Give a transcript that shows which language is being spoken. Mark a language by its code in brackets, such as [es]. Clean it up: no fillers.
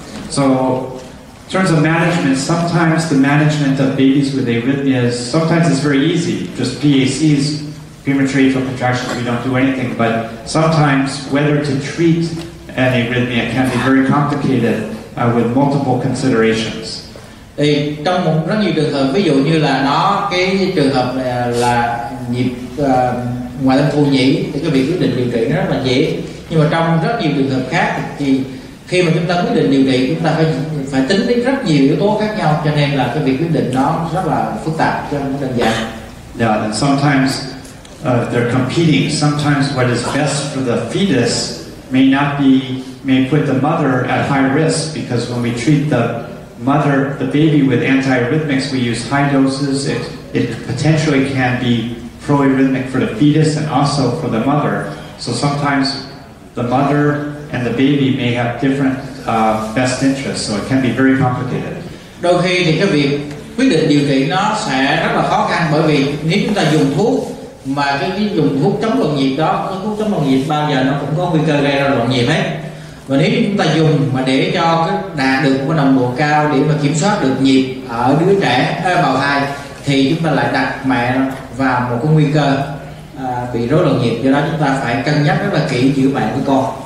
[en] So in terms of management, sometimes the management of babies with arrhythmias, sometimes it's very easy, just PACs, premature atrial contractions, we don't do anything, but sometimes whether to treat an arrhythmia can be very complicated, with multiple considerations. [vi] Thì trong một rất nhiều trường hợp, ví dụ như là nó cái trường hợp là nhịp ngoại tâm phù nhĩ thì cái việc quyết định điều trị nó rất là dễ. Nhưng mà trong rất nhiều trường hợp khác thì khi mà chúng ta quyết định điều trị chúng ta phải tính đến rất nhiều yếu tố khác nhau, cho nên là cái việc quyết định nó rất là phức tạp cho nên đơn giản. [en] Yeah, and sometimes they're competing. Sometimes what is best for the fetus may put the mother at high risk, because when we treat the mother, the baby with antiarrhythmics, we use high doses. It potentially can be proarrhythmic for the fetus and also for the mother. So sometimes the mother and the baby may have different best interests. So it can be very complicated. [vi] Đôi khi thì cái việc quyết định điều trị nó sẽ rất là khó khăn, bởi vì nếu chúng ta dùng thuốc mà cái dùng thuốc chống loạn nhịp đó, cái thuốc chống loạn nhịp bao giờ nó cũng có nguy cơ gây ra loạn nhịp hết. Và nếu chúng ta dùng mà để cho cái đạt được một nồng độ cao để mà kiểm soát được nhịp ở đứa trẻ bào thai thì chúng ta lại đặt mẹ vào một cái nguy cơ bị rối loạn nhịp, do đó chúng ta phải cân nhắc rất là kỹ giữa bạn với con.